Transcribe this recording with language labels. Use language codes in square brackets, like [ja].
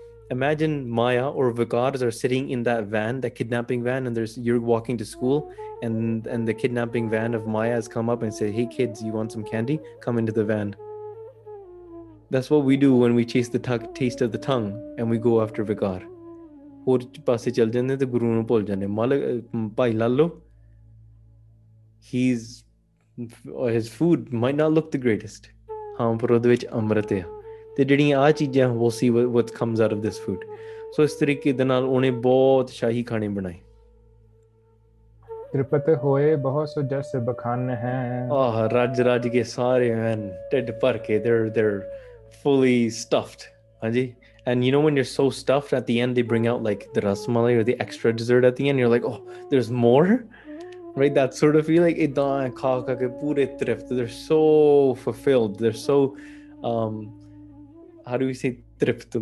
[en] Imagine Maya or Vikars are sitting in that van, that kidnapping van, and you're walking to school, and the kidnapping van of Maya has come up and said, "Hey kids, you want some candy? Come into the van." That's what we do when we chase the taste of the tongue and we go after Vikar. [pa] ਹੋਰ ਪਾਸੇ ਚਲ ਜਾਂਦੇ ਤੇ ਗੁਰੂ ਨੂੰ ਭੁੱਲ ਜਾਂਦੇ. [en] ਮਾਲਕ Bhai Lalo, his food may not look the greatest, [pa] ਹਾਂ ਪਰ ਉਹਦੇ ਵਿੱਚ ਅੰਮ੍ਰਿਤ ਆ, ਤੇ ਜਿਹੜੀਆਂ ਆਹ ਚੀਜ਼ਾਂ [en] ਵੋ see what comes out of this food. [pa] ਸੋ ਇਸ ਤਰੀਕੇ ਦੇ ਨਾਲ ਉਹਨੇ ਬਹੁਤ ਸ਼ਾਹੀ ਖਾਣੇ ਬਣਾਏ. ਤ੍ਰਿਪਤ ਹੋਏ ਬਹੁਤ ਸੁਜਸ ਬਖਾਨ ਹੈ. ਆਹ ਰੱਜ ਰੱਜ ਕੇ ਸਾਰੇ ਐਨ ਢਿੱਡ ਭਰ ਕੇ, [en] There fully stuffed. [pa] ਹਾਂਜੀ. [en] And when you're so stuffed, at the end they bring out like the rasmalai or the extra dessert at the end. You're like, oh, there's more, right? That sort of feel like they're so fulfilled. They're so, how do we say, trift?